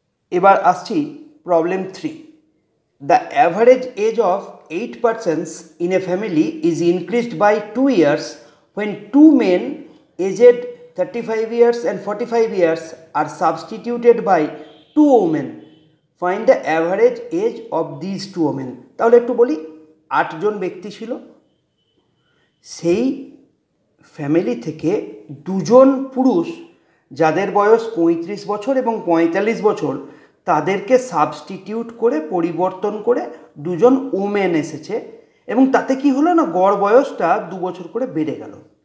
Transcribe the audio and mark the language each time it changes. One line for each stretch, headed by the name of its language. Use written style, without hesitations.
Bangla: এবার আসছি Problem 3.
English: The average age of 8 persons in a family is increased by 2 years when two men aged 35 years and 45 years are substituted by two women. Find the average age of these two women.
Bangla: তাহলে একটু বলি, 8 জন ব্যক্তি ছিল, সেই family থেকে দুজন পুরুষ যাদের বয়স 35 বছর এবং 45 বছর তাদেরকে সাবস্টিটিউট করে পরিবর্তন করে দুজন ওমেন এসেছে, এবং তাতে কি হলো না, গড় বয়সটা 2 বছর করে বেড়ে গেল।